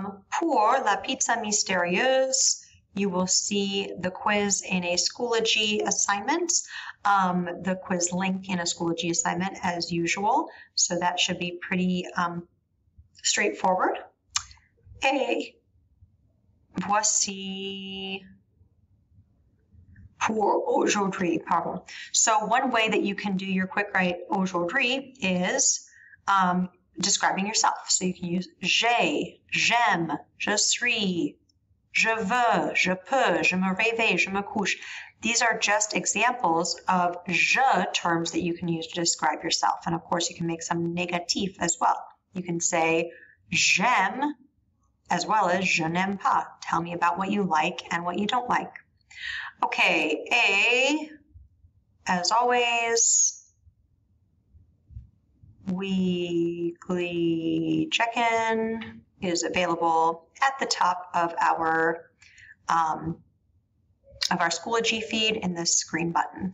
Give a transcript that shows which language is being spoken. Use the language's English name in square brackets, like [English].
[French] Pour la pizza mystérieuse, [English] you will see the quiz in a Schoology assignment, the quiz link in a Schoology assignment as usual. So that should be pretty straightforward. A. [French] Voici pour aujourd'hui, pardon. [English] So one way that you can do your quick write [French] aujourd'hui [English] is describing yourself. So you can use [French] j'ai, j'aime, je suis, je veux, je peux, je me réveille, je me couche. [English] These are just examples of je terms that you can use to describe yourself. And of course, you can make some négatif as well. You can say j'aime, as well as [French] je n'aime pas. [English] Tell me about what you like and what you don't like. Okay, A, as always, weekly check-in is available at the top of our Schoology feed in this screen button.